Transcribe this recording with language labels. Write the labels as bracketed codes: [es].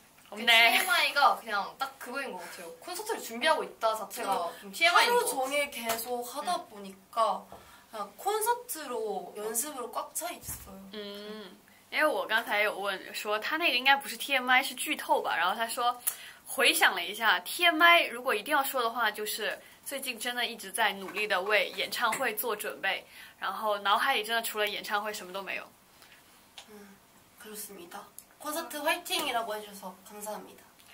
[ko] 그 TMI가 그냥 딱 그거인 것 같아요. 콘서트를 준비하고 있다 자체가 TMI인 것 같아요. 하루 종일 계속 하다 보니까 그냥 콘서트로 연습으로 꽉 차 있어요. [zh] 因为我刚才有问说他那个应该不是 TMI 是剧透吧，然后他说回想了一下 TMI 如果一定要说的话，就是最近真的一直在努力的为演唱会做准备，然后脑海里真的除了演唱会什么都没有。 [ko] 그렇습니다. 콘서트 화이팅이라고 해주셔서 감사합니다.